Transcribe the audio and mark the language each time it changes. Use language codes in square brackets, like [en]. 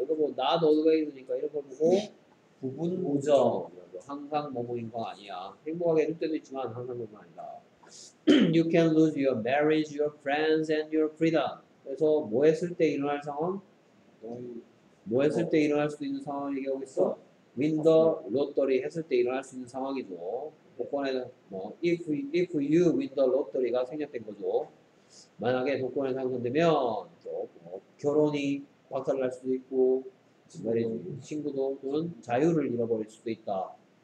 [ko] 이거 뭐 [en] not always [ko] 니까 이런 걸 보고 부분 우정 항상 뭐뭐인 거 아니야. 행복하게 해줄 때도 있지만 항상 뭐가 아니다. [en] You can lose your marriage, your friends, and your freedom. [ko] 그래서 뭐 했을 때 일어날 상황? 뭐 했을 때 일어날 수 있는 상황을 얘기하고 있어? [en] Win the lottery [ko] 했을 때 일어날 수 있는 상황이죠. 조건에는 뭐 [en] if you win the lottery [ko] 가 생략된 거죠. 만약에 조건에 당첨되면 결혼이 박살날 수도 있고 친구도 또는 자유를 잃어버릴 수도 있다.